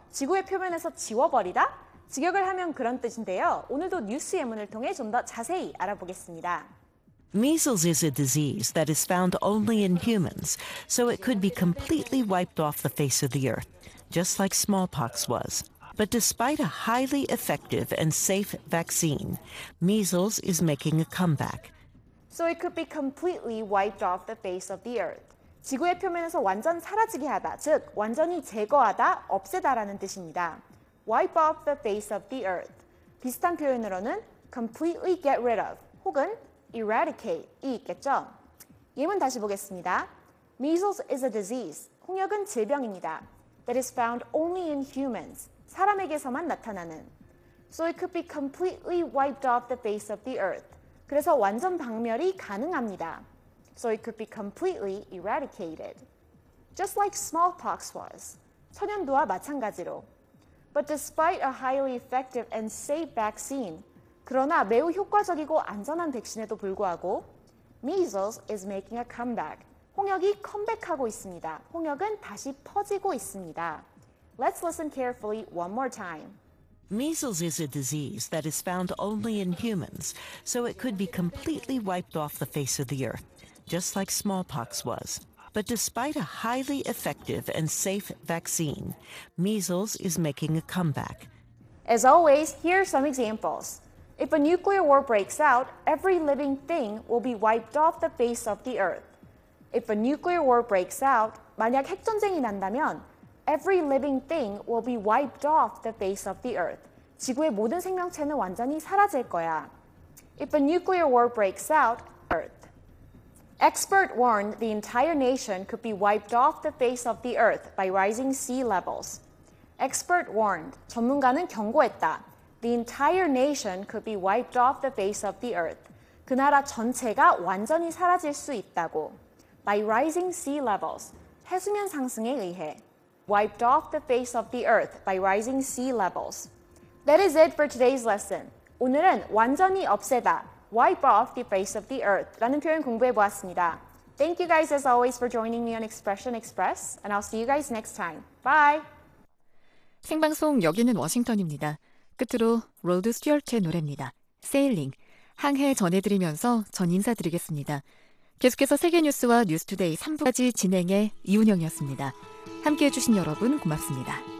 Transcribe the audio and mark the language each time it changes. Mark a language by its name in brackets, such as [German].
[Korean] 지구의 표면에서 지워버리다? 직역을 하면 그런 뜻인데요. 오늘도 뉴스 예문을 통해 좀 더 자세히 알아보겠습니다. [English] Measles is a disease that is found only in humans, so it could be completely wiped off the face of the earth. Just like smallpox was. But despite a highly effective and safe vaccine, measles is making a comeback. So it could be completely wiped off the face of the earth. [Korean] 지구의 표면에서 완전 사라지게 하다, 즉 완전히 제거하다, 없애다라는 뜻입니다. [English] Wipe off the face of the earth. [Korean] 비슷한 표현으로는 [English] completely get rid of [Korean] 혹은 [English] eradicate이 [Korean] 있겠죠. 예문 다시 보겠습니다. [English] Measles is a disease. [Korean] 홍역은 질병입니다. [English] That is found only in humans, [Korean] 사람에게서만 나타나는. [English] So it could be completely wiped off the face of the earth. [Korean] 그래서 완전 박멸이 가능합니다. [English] So it could be completely eradicated. Just like smallpox was, [Korean] 천연두와 마찬가지로. [English] But despite a highly effective and safe vaccine, [Korean] 그러나 매우 효과적이고 안전한 백신에도 불구하고, [English] measles is making a comeback. [Korean] 홍역이 컴백하고 있습니다. 홍역은 다시 퍼지고 있습니다. [English] Let's listen carefully one more time. Measles is a disease that is found only in humans, so it could be completely wiped off the face of the earth, just like smallpox was. But despite a highly effective and safe vaccine, measles is making a comeback. As always, here are some examples. If a nuclear war breaks out, every living thing will be wiped off the face of the earth. If a nuclear war breaks out, [Korean] 만약 핵전쟁이 난다면, [English] every living thing will be wiped off the face of the earth. [Korean] 지구의 모든 생명체는 완전히 사라질 거야. [English] If a nuclear war breaks out, earth. Expert warned the entire nation could be wiped off the face of the earth by rising sea levels. Expert warned, [Korean] 전문가는 경고했다. [English] The entire nation could be wiped off the face of the earth. [Korean] 그 나라 전체가 완전히 사라질 수 있다고. [English] By rising sea levels, [Korean] 해수면 상승에 의해. [English] Wiped off the face of the earth by rising sea levels. That is it for today's lesson. [Korean] 오늘은 완전히 없애다, [English] wipe off the face of the earth [Korean] 라는 표현 공부해 보았습니다. [English] Thank you guys as always for joining me on Expression Express, and I'll see you guys next time. Bye! [Korean] 생방송 여기는 워싱턴입니다. 끝으로 로드 스튜어트의 노래입니다. Sailing, 항해 전해드리면서 전 인사드리겠습니다. 계속해서 세계뉴스와 뉴스투데이 3부까지 진행해 이운영이었습니다. 함께해 주신 여러분 고맙습니다.